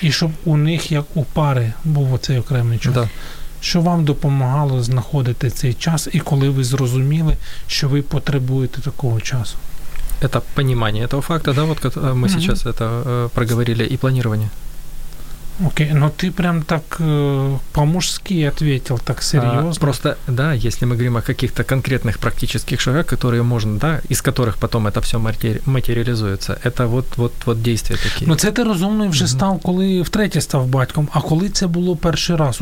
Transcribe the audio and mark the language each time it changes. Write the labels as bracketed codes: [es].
[uk] і щоб у них, як у пари, був оцей окремий час. Так. Що вам допомагало знаходити цей час, і коли ви зрозуміли, що ви потребуєте такого часу? Це розуміння цього факту, да, от ми зараз це проговорили, і планування. [ru] Окей, ну ти прям так по-мужски ответил, так серьезно. Просто, да, если мы говорим о каких-то конкретных практических шагах, которые можно, да, из которых потом это все материализуется, это вот действия такие. [uk] Ну це ти розумний вже став, коли втретє став батьком, а коли це було перший раз?